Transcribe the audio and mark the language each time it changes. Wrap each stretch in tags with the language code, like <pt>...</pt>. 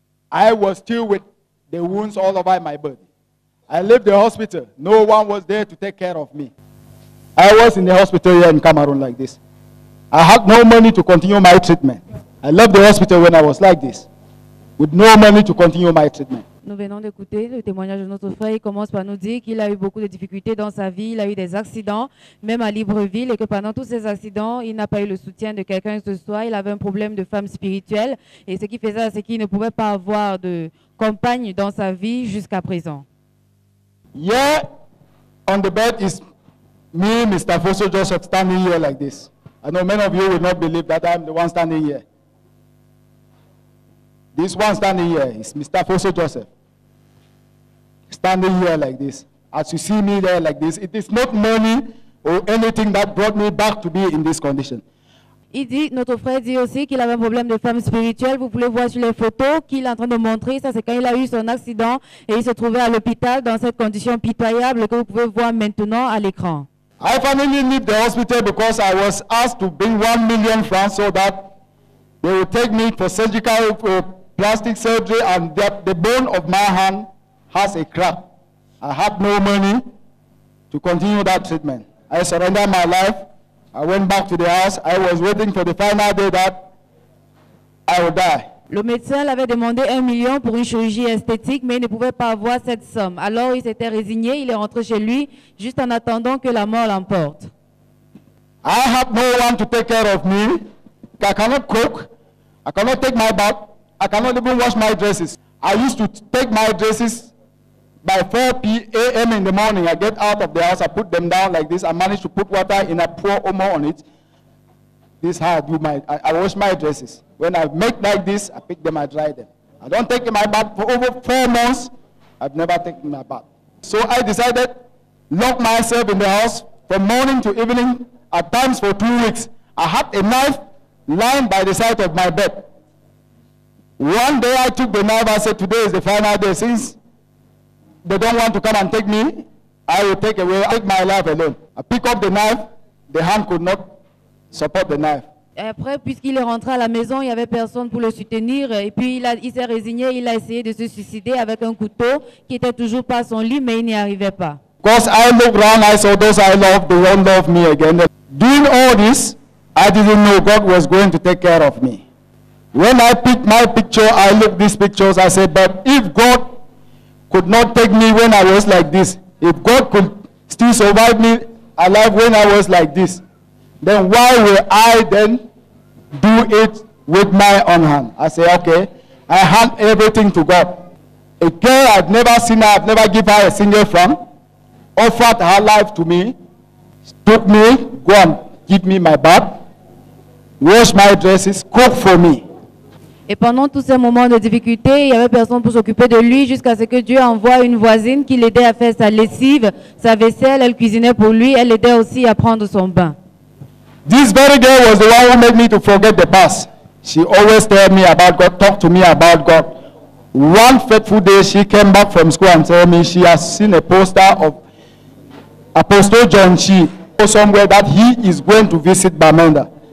<en>I was still with the wounds all over my body. I left the hospital. No one was there to take care of me. I was in the hospital here in Cameroon like this. I had no money to continue my treatment. I left the hospital when I was like this, with no money to continue my treatment.</en> <fr>Nous venons d'écouter le témoignage de notre frère. Il commence par nous dire qu'il a eu beaucoup de difficultés dans sa vie. Il a eu des accidents, même à Libreville, et que pendant tous ces accidents, il n'a pas eu le soutien de quelqu'un que ce soit. Il avait un problème de femme spirituelle. Et ce qui faisait, c'est qu'il ne pouvait pas avoir de compagne dans sa vie jusqu'à présent.</fr> <en>Here on the bed is me, Mr. Foso Joseph, standing here like this. I know many of you will not believe that I'm the one standing here. This one standing here is Mr. Foso Joseph. Standing here like this. As you see me there like this, it is not money or anything that brought me back to be in this condition.</en> <fr>Il dit, notre frère dit aussi qu'il avait un problème de femme spirituelle. Vous pouvez voir sur les photos qu'il est en train de montrer. Ça, c'est quand il a eu son accident et il se trouvait à l'hôpital dans cette condition pitoyable que vous pouvez voir maintenant à l'écran.</fr> <en>I finally left the hospital because I was asked to bring 1 million francs so that they will take me for surgical plastic surgery, and the bone of my hand has a crack. I have no money to continue that treatment. I surrendered my life. I went back to the house. I was waiting for the final day that I would die.</en> <fr>Le médecin l'avait demandé 1 million pour une chirurgie esthétique, mais il ne pouvait pas avoir cette somme. Alors il s'était résigné, il est rentré chez lui, juste en attendant que la mort l'emporte.</fr> <en>I have no one to take care of me. I cannot cook. I cannot take my bath. I cannot even wash my dresses. I used to take my dresses by 4 a.m. in the morning. I get out of the house. I put them down like this. I manage to put water in a pour omo on it. This is how I do my. I wash my dresses. When I make like this, I pick them. I dry them. I don't take my bath for over 4 months. I've never taken my bath. So I decided lock myself in the house from morning to evening. At times for 2 weeks, I had a knife lying by the side of my bed. One day I took the knife, I said, today is the final day. Since they don't want to come and take me, I will take away, I take my life alone. I pick up the knife, the hand could not support the knife.</en> <fr>Après, puisqu'il est rentré à la maison, il n'y avait personne pour le soutenir. Et puis, il s'est résigné, il a essayé de se suicider avec un couteau qui était toujours pas son lit, mais il n'y arrivait pas.</fr> <en>Because I looked around, I saw those I loved, the one loved me again. Doing all this, I didn't know God was going to take care of me. When I picked my picture, I looked these pictures, I said, but if God could not take me when I was like this, if God could still survive me alive when I was like this, then why will I then do it with my own hand? I say, okay. I hand everything to God. A girl I've never seen, I've never given her a single franc, offered her life to me, took me, go and give me my bath, wash my dresses, cook for me.</en> <fr>Et pendant tous ces moments de difficulté, il n'y avait personne pour s'occuper de lui jusqu'à ce que Dieu envoie une voisine qui l'aidait à faire sa lessive, sa vaisselle, elle cuisinait pour lui, elle l'aidait aussi à prendre son bain.</fr> <en>This very girl was the one who made me to forget the past. She always told me about God, talked to me about God. One fateful day, she came back from school and told me she has seen a poster of Apostle John Chi somewhere that he is going to visit Bamenda.</en>